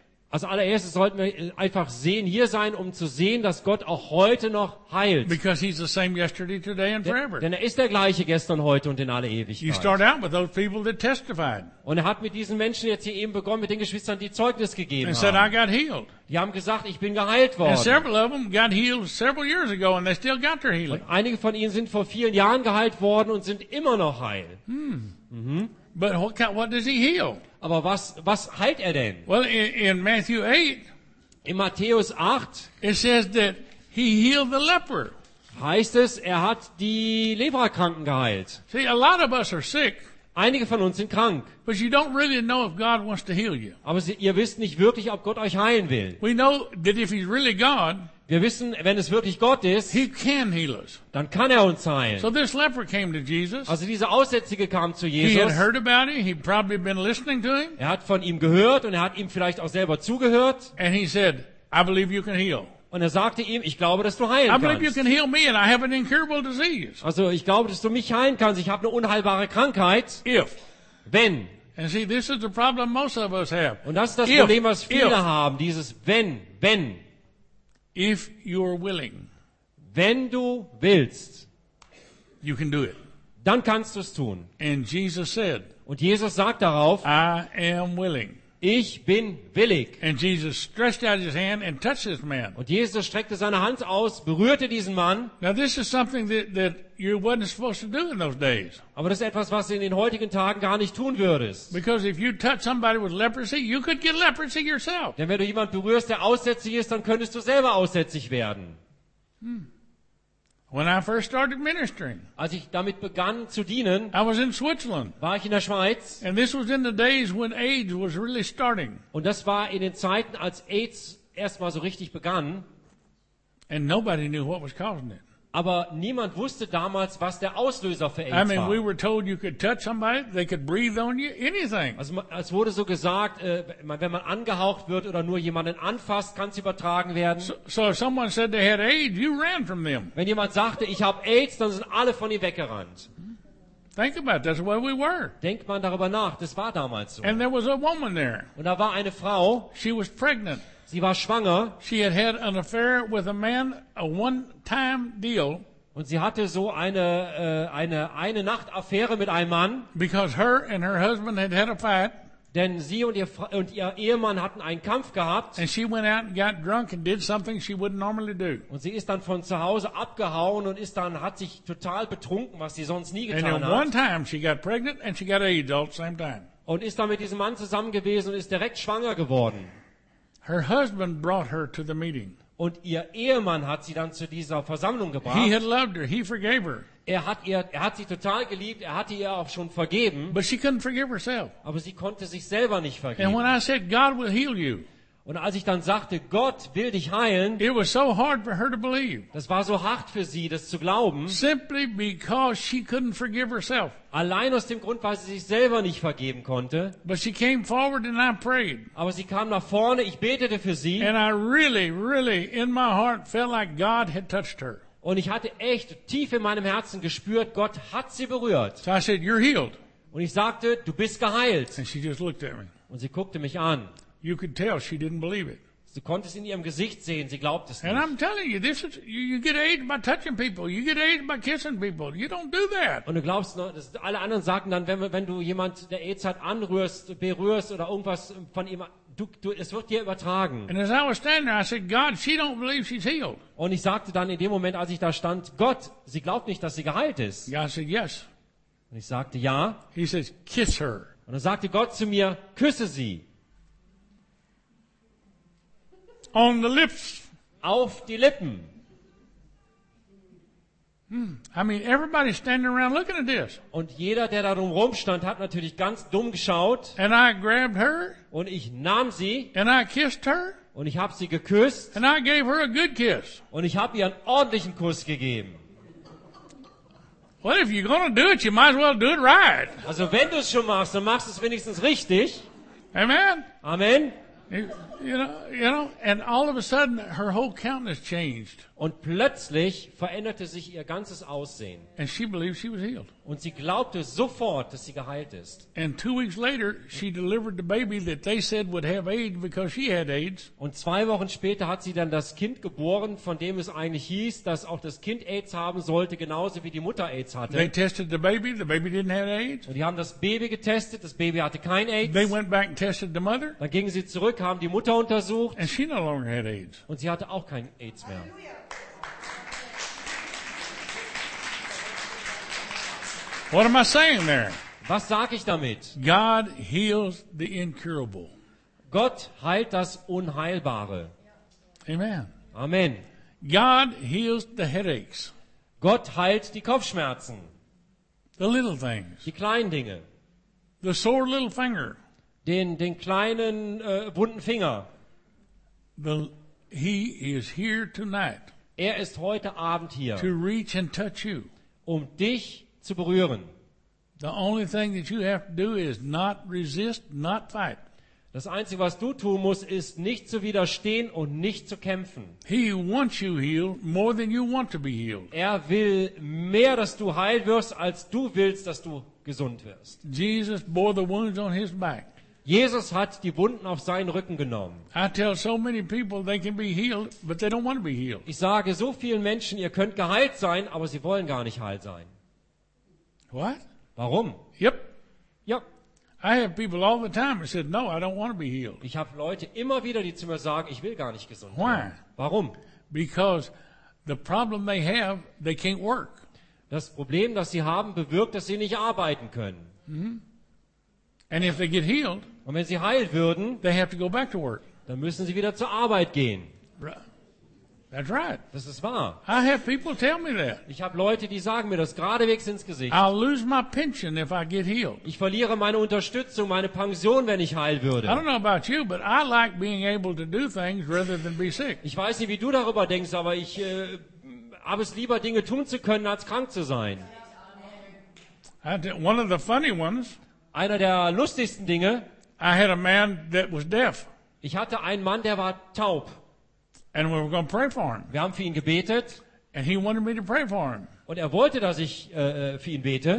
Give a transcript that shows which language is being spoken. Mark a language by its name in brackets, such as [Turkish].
[German] Also allererstes sollten wir einfach sehen, hier sein, um zu sehen, dass Gott auch heute noch heilt. [English] Because he's the same yesterday, today and forever. [German] Denn er ist der gleiche gestern, heute und in alle Ewigkeit. [English] You start out with those people that testified. [German] Und er hat mit diesen Menschen jetzt hier eben begonnen, mit den Geschwistern, die Zeugnis gegeben [English] and [German] haben. [English] Said, I got healed. [German] Die haben gesagt, ich bin geheilt worden. [English] And several of them got healed several years ago and they still got their healing. [German] Und einige von ihnen sind vor vielen Jahren geheilt worden und sind immer noch heil. [English] But what does he heal? [German] Aber was heilt er denn? [English] Well, in Matthew 8, [German] in Matthäus 8, [English] it says that he healed the leper. [German] Heißt es, er hat die Leprakranken geheilt. [English] See, a lot of us are sick. [German] Einige von uns sind krank. [English] But you don't really know if God wants to heal you. [German] Aber ihr wisst nicht wirklich, ob Gott euch heilen will. [English] We know that if he's really God, [German] wir wissen, wenn es wirklich Gott ist, [English] he can heal us. [German] Dann kann er uns heilen. [English] So this leper came to Jesus. [German] Also dieser Aussätzige kam zu Jesus. [English] He had heard about it. He'd probably been listening to him. [German] Er hat von ihm gehört und er hat ihm vielleicht auch selber zugehört. [English] And he said, I believe you can heal. [German] Und er sagte ihm, ich glaube, dass du heilen kannst. [English] I believe you can heal me and I have an incurable disease. [German] Also ich glaube, dass du mich heilen kannst. Ich habe eine unheilbare Krankheit. [English] If. [German] Wenn. [English] And see, this is the problem most of us have. [German] Und das ist das Problem, was viele haben. Dieses Wenn. [English] If you are willing. [German] Wenn du willst. [English] You can do it. [German] Dann kannst du es tun. [English] And Jesus said. [German] Und Jesus sagt darauf. [English] I am willing. [German] Ich bin willig. [English] And Jesus stretched out his hand and touched this man. [German] Und Jesus streckte seine Hand aus, berührte diesen Mann. [English] Now this is something that you weren't supposed to do in those days. [German] Aber das ist etwas, was du in den heutigen Tagen gar nicht tun würdest. [English] Because if you touch somebody with leprosy, you could get leprosy yourself. [German] Denn wenn du jemanden berührst, der aussätzig ist, dann könntest du selber aussätzig werden. [English] When I first started ministering, [German] als ich damit begann zu dienen, [English] I was in Switzerland. [German] War ich in der Schweiz. [English] And this was in the days when AIDS was really starting. [German] Und das war in den Zeiten, als AIDS erstmal so richtig begann. [English] And nobody knew what was causing it. [German] Aber niemand wusste damals, was der Auslöser für AIDS war. [English] I mean, we were told you could touch somebody, they could breathe on you, anything. [German] Also, es wurde so gesagt, wenn man angehaucht wird oder nur jemanden anfasst, kann es übertragen werden. [English] So if someone said they had AIDS, you ran from them. [German] Wenn jemand sagte, ich habe AIDS, dann sind alle von ihm weggerannt. [English] Think about it, that's where we were. [German] Denkt man darüber nach, das war damals so. [English] And there was a woman there. [German] Und da war eine Frau. [English] She was pregnant. [German] Sie war schwanger. [English] She had had an affair with a man, a one-time deal. [German] Und sie hatte so eine Nacht-Affäre mit einem Mann. [English] Because her and her husband had had a fight. [German] Denn sie und ihr Ehemann hatten einen Kampf gehabt. [English] And she went out and got drunk and did something she wouldn't normally do. [German] Und sie ist dann von zu Hause abgehauen und ist dann hat sich total betrunken, was sie sonst nie getan [English] and [German] hat. [English] And one time she got pregnant and she got AIDS all at the same time. [German] Und ist dann mit diesem Mann zusammen gewesen und ist direkt schwanger geworden. [English] Her husband brought her to the meeting. [German] Und ihr Ehemann hat sie dann zu dieser Versammlung gebracht. [English] He had loved her. He forgave her. [German] Er hat sie total geliebt. Er hatte ihr auch schon vergeben. [English] But she couldn't forgive herself. [German] Aber sie konnte sich selber nicht vergeben. [English] And when I said, God will heal you. [German] Und als ich dann sagte, Gott will dich heilen. [English] It was so hard for her to believe. [German] Das war so hart für sie, das zu glauben. [English] Simply because she couldn't forgive herself. [German] Allein aus dem Grund, weil sie sich selber nicht vergeben konnte. [English] But she came forward and I prayed. [German] Aber sie kam nach vorne, ich betete für sie. [English] And I really, really in my heart felt like God had touched her. [German] Und ich hatte echt tief in meinem Herzen gespürt, Gott hat sie berührt. [English] So I said, you're healed. [German] Und ich sagte, du bist geheilt. [English] And she just looked at me. [German] Und sie guckte mich an. [English] You could tell she didn't believe it. [German] Sie konnte es in ihrem Gesicht sehen, sie glaubte es nicht. [English] And I'm telling you, this is you get AIDS by touching people. You get AIDS by kissing people. You don't do that. [German] Und du glaubst noch, dass alle anderen sagen dann, wenn du jemand der AIDS hat berührst oder irgendwas von ihm du es wird dir übertragen. [English] And as I was standing there, I said, God, she don't believe she's healed. [German] Und ich sagte dann in dem Moment, als ich da stand, Gott, sie glaubt nicht, dass sie geheilt ist. [English] Yeah, I said, yes. [German] Und ich sagte ja. [English] He says, kiss her. [German] Und dann sagte Gott zu mir, küsse sie. [English] On the lips. [German] Auf die Lippen. [English] I mean, everybody's standing around looking at this. [German] Und jeder, der da drumherum stand, hat natürlich ganz dumm geschaut. [English] And I grabbed her. [German] Und ich nahm sie. [English] And I kissed her. [German] Und ich habe sie geküsst. [English] And I gave her a good kiss. [German] Und ich habe ihr einen ordentlichen Kuss gegeben. [English] Well, if you're gonna do it, you might as well do it right. [German] Also, wenn du es schon machst, dann machst du es wenigstens richtig. [English] Amen. [German] Amen. [English] You know, and all of a sudden her whole countenance changed. [German] Und plötzlich veränderte sich ihr ganzes Aussehen. [English] And she believed she was healed. [German] Und sie glaubte sofort, dass sie geheilt ist. [English] And 2 weeks later she delivered the baby that they said would have AIDS because she had AIDS. [German] Und 2 Wochen später hat sie dann das Kind geboren, von dem es eigentlich hieß, dass auch das Kind AIDS haben sollte, genauso wie die Mutter AIDS hatte. [English] They tested the baby didn't have AIDS. [German] Und die haben das Baby getestet, das Baby hatte kein AIDS. [English] They went back and tested the mother. [German] Dann gingen sie zurück, haben die Mutter untersucht. [English] And she no longer had AIDS. [German] Und sie hatte auch kein AIDS mehr. [English] What am I saying there? [German] Was sag ich damit? [English] God heals the incurable. [German] Gott heilt das Unheilbare. [English] Amen. [German] Amen. [English] God heals the headaches. [German] Gott heilt die Kopfschmerzen. [English] The little things. [German] Die kleinen Dinge. [English] The sore little finger. [German] Den kleinen wunden Finger. [English] He is here tonight. [German] Er ist heute Abend hier. [English] To reach and touch you. [German] Um dich zu berühren. [English] The only thing that you have to do is not resist, not fight. [German] Das einzige, was du tun musst, ist nicht zu widerstehen und nicht zu kämpfen. [English] He wants you healed more than you want to be healed. [German] Er will mehr, dass du heil wirst, als du willst, dass du gesund wirst. [English] Jesus bore the wounds on his back. [German] Jesus hat die Wunden auf seinen Rücken genommen. [English] I tell so many people they can be healed, but they don't want to be healed. [German] Ich sage so vielen Menschen, ihr könnt geheilt sein, aber sie wollen gar nicht heil sein. [English] What? [German] Warum? [English] Yep. Yep. I have people all the time that said, no, I don't want to be healed. [German] Ich habe Leute immer wieder, die zu mir sagen, ich will gar nicht gesund werden. [English] Why? [German] Warum? [English] Because the problem they have, they can't work. [German] Das Problem, das sie haben, bewirkt, dass sie nicht arbeiten können. [English] Mm-hmm. And if they get healed, [German] und wenn sie heilt würden, [English] they have to go back to work. [German] Dann müssen sie wieder zur Arbeit gehen. [English] That's right. [German] Das ist wahr. [English] I have people tell me that. [German] Ich habe Leute, die sagen mir das geradewegs ins Gesicht. [English] I'll lose my pension if I get healed. [German] Ich verliere meine Unterstützung, meine Pension, wenn ich heil würde. [English] I don't know about you, but I like being able to do things rather than be sick. [German] Ich weiß nicht, wie du darüber denkst, aber ich habe es lieber, Dinge tun zu können, als krank zu sein. [English] One of the funny ones. [German] Einer der lustigsten Dinge. [English] I had a man that was deaf. [German] Ich hatte einen Mann, der war taub. [English] And we were going to pray for him. [German] Wir haben für ihn gebetet. [English] And he wanted me to pray for him. [German] Und er wollte, dass ich für ihn bete.